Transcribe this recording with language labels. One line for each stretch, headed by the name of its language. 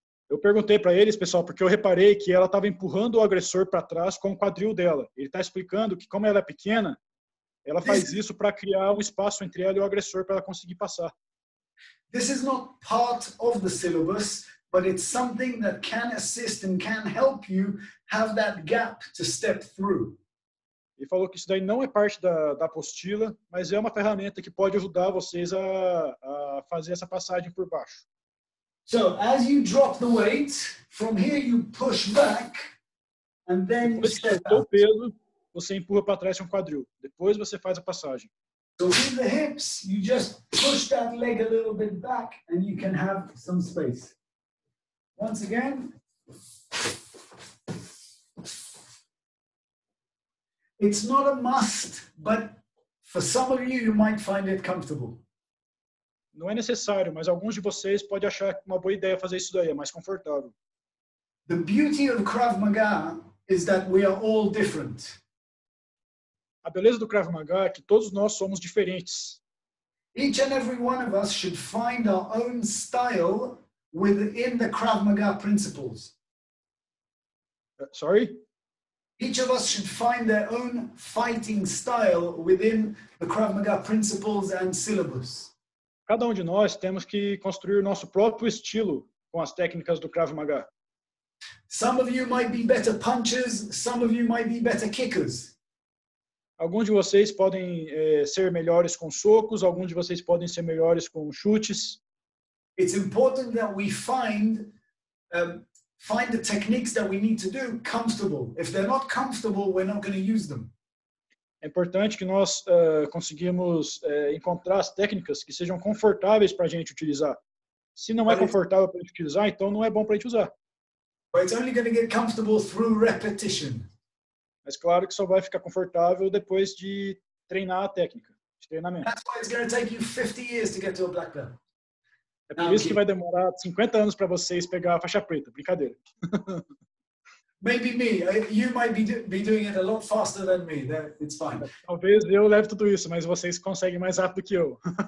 Portuguese: Eu perguntei para eles, pessoal, porque eu reparei que ela estava empurrando o agressor para trás com o quadril dela. Ele está explicando que como ela é pequena, ela faz isso para criar um espaço entre ela e o agressor para ela conseguir passar.
English: This is not part of the syllabus, but it's something that can assist and can help you have that gap to step through.
Portuguese: e falou que isso daí não é parte da apostila, mas é uma ferramenta que pode ajudar vocês a fazer essa passagem por baixo.
English: So, as you drop the weight, from here you push back, and then you step out.
Portuguese: Com o peso, você empurra para trás com o quadril. Depois você faz a passagem.
English: So, with the hips, you just push that leg a little bit back, and you can have some space. Once again. It's not a must, but for some of you, you might find it comfortable.
Portuguese: Não é necessário, mas alguns de vocês podem achar uma boa ideia fazer isso daí, é mais confortável.
English: The beauty of Krav Maga is that we are all different.
Portuguese: A beleza do Krav Maga é que todos nós somos diferentes.
English: Each and every one of us should find our own style within the Krav Maga principles. Sorry? Each of us should find their own fighting style within the Krav Maga principles and syllabus.
Portuguese: Cada um de nós temos que construir o nosso próprio estilo com as técnicas do Krav Maga.
English: Some of you might be better punchers, some of you might be better kickers.
Portuguese: Alguns de vocês podem ser melhores com socos, alguns de vocês podem ser melhores com chutes.
English: It's important that we find the techniques that we need to do comfortable. If they're not comfortable, we're not going to use them.
Portuguese: É importante que nós conseguimos encontrar as técnicas que sejam confortáveis para a gente utilizar. Se não é confortável para a gente utilizar, então não é bom para a gente usar.
English: But it's only going to get comfortable through repetition.
Portuguese: Mas claro que só vai ficar confortável depois de treinar a técnica, de treinamento.
English: That's why it's going to take you 50 years to get to a black belt.
Portuguese: É por isso que vai demorar 50 anos para vocês pegar a faixa preta. Brincadeira.
English: Maybe me. You might be doing it a lot faster than me. It's fine.
Portuguese: Talvez eu leve tudo isso, mas vocês conseguem mais rápido que eu.